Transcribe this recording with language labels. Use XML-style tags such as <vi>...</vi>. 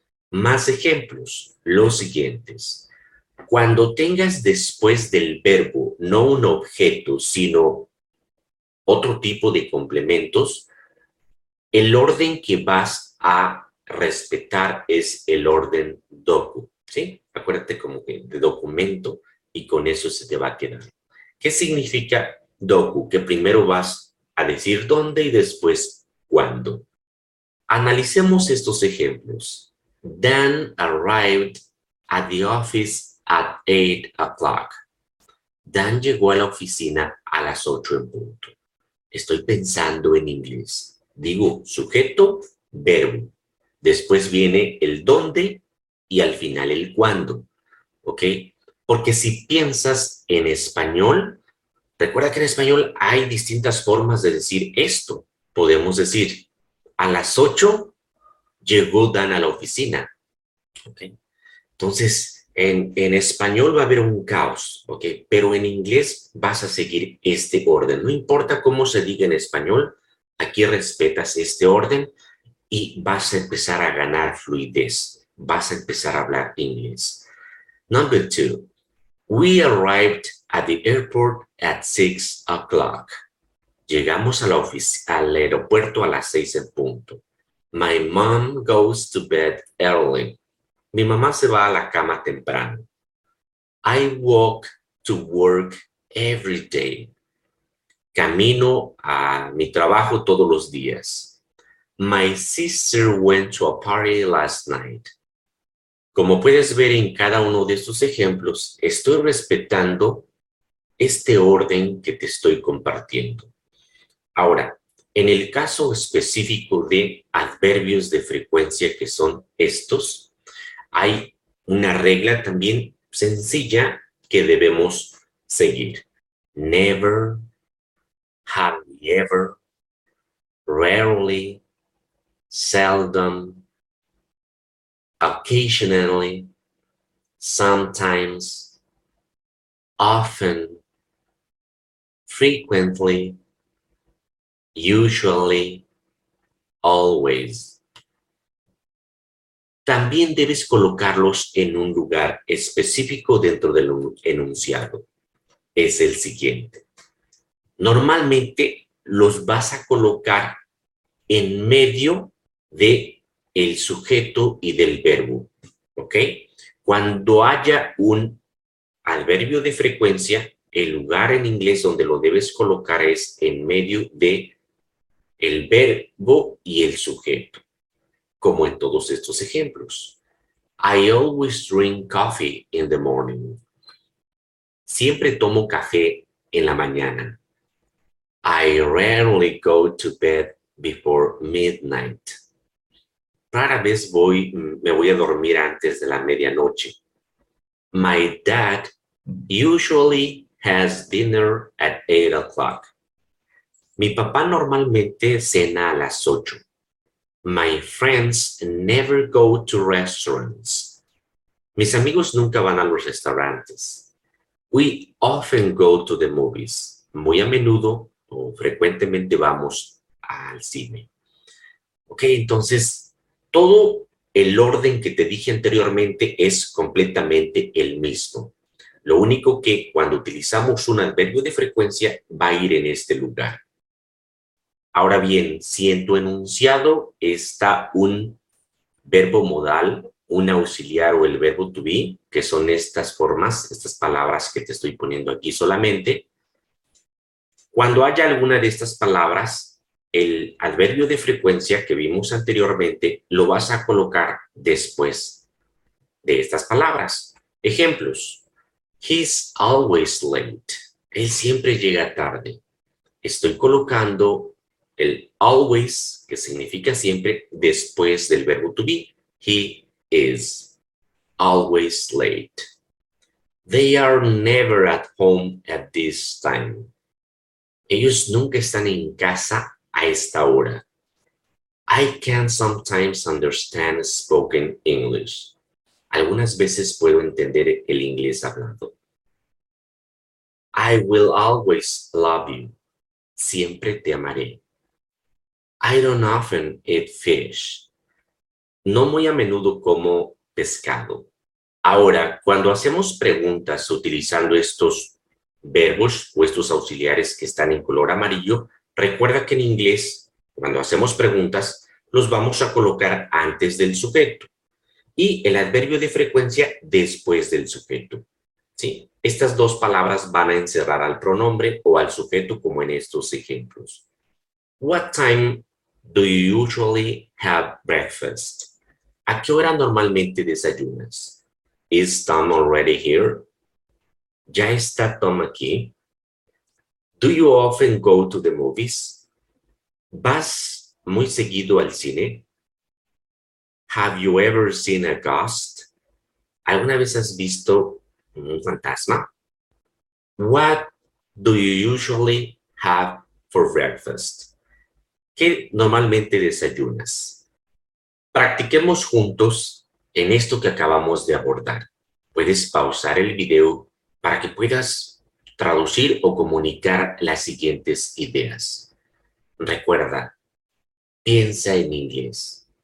<es>Más ejemplos. Los siguientes. Cuando tengas después del verbo, no un objeto, sino otro tipo de complementos, el orden que vas a respetar es el orden docu, ¿sí? Acuérdate como que de documento y con eso se te va a quedar. ¿Qué significa docu? Que primero vas a decir dónde y después cuándo. Analicemos estos ejemplos.</es> <en>Dan arrived at the office at 8 o'clock.</en> <es>Dan llegó a la oficina a las 8 en punto. Estoy pensando en inglés. Digo sujeto, verbo. Después viene el dónde y al final el cuándo. ¿Ok? Porque si piensas en español, recuerda que en español hay distintas formas de decir esto. Podemos decir, a las 8 llegó Dan a la oficina. ¿Ok? Entonces, en español va a haber un caos. ¿Ok? Pero en inglés vas a seguir este orden. No importa cómo se diga en español, aquí respetas este orden y vas a empezar a ganar fluidez. Vas a empezar a hablar inglés.</es> <en>Number two, we arrived at the airport at 6 o'clock.</en> <es>Llegamos al aeropuerto a las 6 en punto.</es> <en>My mom goes to bed early.</en> <es>Mi mamá se va a la cama temprano.</es> <en>I walk to work every day.</en> <es>Camino a mi trabajo todos los días.</es> <en>My sister went to a party last night.</en> <es>Como puedes ver en cada uno de estos ejemplos, estoy respetando este orden que te estoy compartiendo. Ahora, en el caso específico de adverbios de frecuencia que son estos, hay una regla también sencilla que debemos seguir.</es> <en>Never, hardly ever, rarely, seldom, occasionally, sometimes, often, frequently, usually, always.</en> <es>También debes colocarlos en un lugar específico dentro del enunciado. Es el siguiente. Normalmente los vas a colocar en medio de el sujeto y del verbo, ¿ok? Cuando haya un adverbio de frecuencia, el lugar en inglés donde lo debes colocar es en medio de el verbo y el sujeto, como en todos estos ejemplos.</es> <en>I always drink coffee in the morning.</en> <es>Siempre tomo café en la mañana.</es> <en>I rarely go to bed before midnight.</en> <es>Rara vez me voy a dormir antes de la medianoche.</es> <en>My dad usually has dinner at 8 o'clock.</en> <es>Mi papá normalmente cena a las 8.</es> <en>My friends never go to restaurants.</en> <es>Mis amigos nunca van a los restaurantes.</es> <en>We often go to the movies.</en> <es>Muy a menudo o frecuentemente vamos al cine. Ok, entonces, todo el orden que te dije anteriormente es completamente el mismo. Lo único que cuando utilizamos un adverbio de frecuencia va a ir en este lugar. Ahora bien, si en tu enunciado está un verbo modal, un auxiliar o el verbo to be, que son estas formas, estas palabras que te estoy poniendo aquí solamente, cuando haya alguna de estas palabras, el adverbio de frecuencia que vimos anteriormente lo vas a colocar después de estas palabras. Ejemplos.</es> <en>He's always late.</en> <es>Él siempre llega tarde. Estoy colocando el always que significa siempre después del verbo to be.</es> <en>He is always late. They are never at home at this time.</en> <es>Ellos nunca están en casa a esta hora.</es> <en>I can sometimes understand spoken English.</en> <es>Algunas veces puedo entender el inglés hablado.</es> <en>I will always love you.</en> <es>Siempre te amaré.</es> <en>I don't often eat fish.</en> <es>No muy a menudo como pescado. Ahora, cuando hacemos preguntas utilizando estos verbos o estos auxiliares que están en color amarillo, recuerda que en inglés, cuando hacemos preguntas, los vamos a colocar antes del sujeto y el adverbio de frecuencia después del sujeto. ¿Sí? Estas dos palabras van a encerrar al pronombre o al sujeto, como en estos ejemplos.</es> <en>What time do you usually have breakfast?</en> <es>¿A qué hora normalmente desayunas?</es> <en>Is Tom already here?</en> <es>¿Ya está Tom aquí?</es> <en>Do you often go to the movies?</en> <es>¿Vas muy seguido al cine?</es> <en>Have you ever seen a ghost?</en> <es>¿Alguna vez has visto un fantasma?</es> <en>What do you usually have for breakfast?</en> <es>¿Qué normalmente desayunas? Practiquemos juntos en esto que acabamos de abordar. Puedes pausar el video para que puedas traducir o comunicar las siguientes ideas. Recuerda, piensa en inglés.</es>